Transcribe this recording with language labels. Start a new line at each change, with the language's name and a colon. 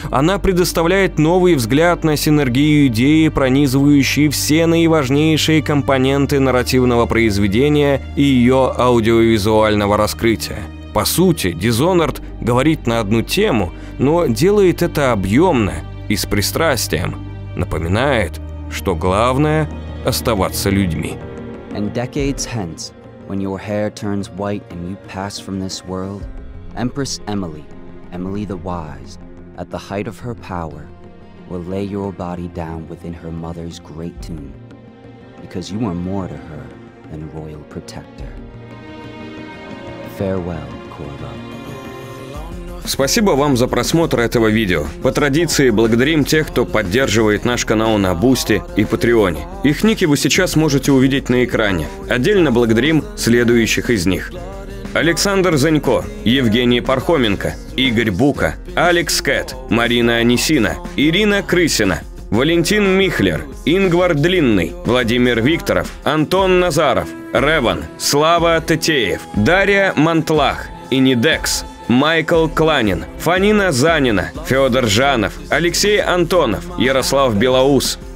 Russian: Она предоставляет новый взгляд на синергию идеи, пронизывающие все наиважнейшие компоненты нарративного произведения и ее аудиовизуального раскрытия. По сути, Dishonored говорит на одну тему, но делает это объемно и с пристрастием. Напоминает, что главное — оставаться людьми.
English: When your hair turns white and you pass from this world, Empress Emily, Emily the Wise, at the height of her power, will lay your body down within her mother's great tomb, because you are more to her than a royal protector. Farewell, Corvo.
Russian: Спасибо вам за просмотр этого видео. По традиции, благодарим тех, кто поддерживает наш канал на Boosty и Patreon. Их ники вы сейчас можете увидеть на экране. Отдельно благодарим следующих из них. Александр Занько, Евгений Пархоменко, Игорь Бука, Алекс Кэт, Марина Анисина, Ирина Крысина, Валентин Михлер, Ингвар Длинный, Владимир Викторов, Антон Назаров, Реван, Слава Тетеев, Дарья Мантлах, Инидекс, Майкл Кланин, Фанина Занина, Федор Жанов, Алексей Антонов, Ярослав Белоус,